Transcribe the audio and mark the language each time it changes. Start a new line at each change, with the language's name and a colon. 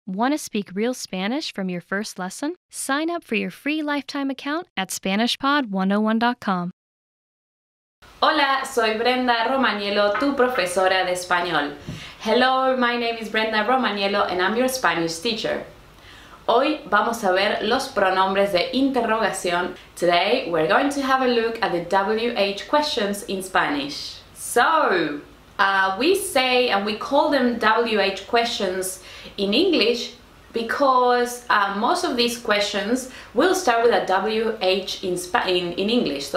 English: Want to speak real Spanish from your first lesson? Sign up for your free lifetime account at SpanishPod101.com.
Spanish: Hola, soy Brenda Romagnello, tu profesora de español.
English: Hello, my name is Brenda Romagnello and I'm your Spanish teacher.
Spanish: Hoy vamos a ver los pronombres de interrogación.
English: Today, we're going to have a look at the WH questions in Spanish. So, we say and we call them WH questions in English because most of these questions will start with a WH in English.